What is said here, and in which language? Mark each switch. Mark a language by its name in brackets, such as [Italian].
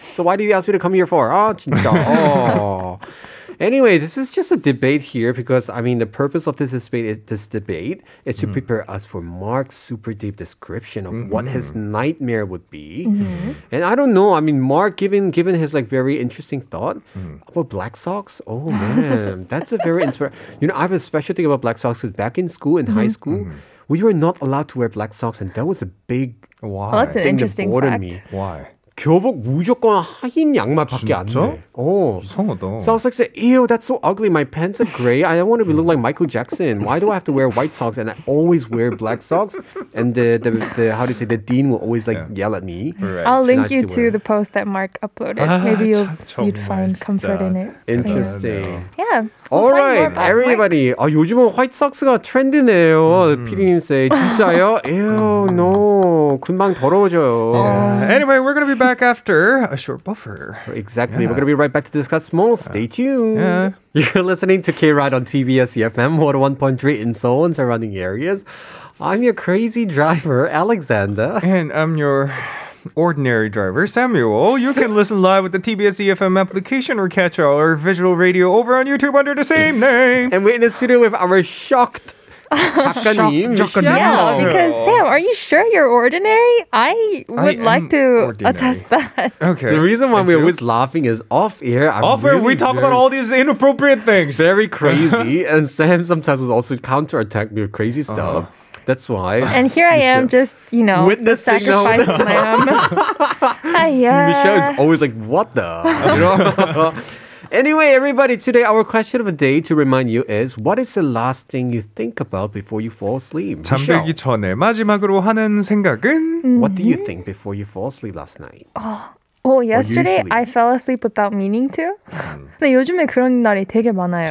[English] So why do you ask me to come here for? Oh, [Korean] 진짜. [English] Oh. Anyway, this is just a debate here because, I mean, the purpose of this debate is to prepare us for Mark's super deep description of what his nightmare would be. And I don't know. I mean, Mark, given his, like, very interesting thought about black socks, oh, man, that's a very inspiring. You know, I have a special thing about black socks because back in school, in high school, we were not allowed to wear black socks, and that was a big well, that's an thing interesting that bothered fact. Me. Why? [Korean] 교복 무조건 하얀 양말밖에 안 돼. 오, 이상하다. [English] So I was like, ew, that's so ugly. My pants are gray. I don't want to look like Michael Jackson. Why do I have to wear white socks and I always wear black socks? And the dean will always like yell at me. Right. I'll link you to the post that Mark uploaded. Maybe you'd find comfort in it. Interesting. Yeah. All right, everybody. [Korean] 아, 요즘은 화이트 삭스가 트렌드네요. PD님 say, 진짜요? [English] Ew, no. [Korean] 금방 더러워져요. [English] Anyway, we're going to be back after a short buffer. Exactly. Yeah. We're going to be right back to discuss more. Stay tuned. Yeah. You're listening to K-Ride on TBS EFM, Water 1.3 in Seoul and surrounding areas. I'm your crazy driver, Alexander. And I'm your... ordinary driver, Samuel. You can listen live with the TBS EFM application or catch our visual radio over on YouTube under the same name. And we're in the studio with our shocked Yeah, because Sam, are you sure you're ordinary? I would like to attest that. Okay. The reason why we're always laughing is off-air. We talk about all these inappropriate things. Very crazy. And Sam sometimes will also counterattack me with crazy stuff. That's why. And here I am, just, you know, witnessing the sacrifice of my own. Michelle is always like, what the? You know? Anyway, everybody, today our question of the day to remind you is what is the last thing you think about before you fall asleep? [Korean] 잠들기 전에 마지막으로 하는 생각은 [English] What do you think before you fall asleep last night? Well, yesterday I fell asleep without meaning to. [Korean] 근데 요즘에 그런 날이 되게 많아요.